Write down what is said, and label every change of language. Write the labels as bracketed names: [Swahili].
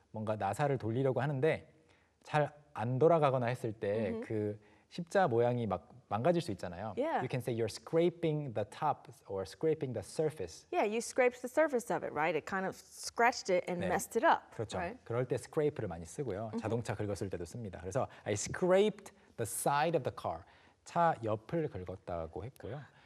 [Korean] 뭔가 나사를 돌리려고 하는데 잘 안 돌아가거나 했을 때 그 mm-hmm. 십자 모양이 막 망가질 수 있잖아요. [English] Yeah. You can say you're scraping the top or scraping the surface. Yeah, you scraped the surface of it, right? It kind of scratched it and [Korean] 네. [English] messed it up. [Korean] 그렇죠. [English] Right? [Korean] 그럴 때 scrape를 많이 쓰고요. Mm-hmm. 자동차 긁었을 때도 씁니다. 그래서 [English] I scraped the side of the car. [Korean] 차 옆을 긁었다고 했고요.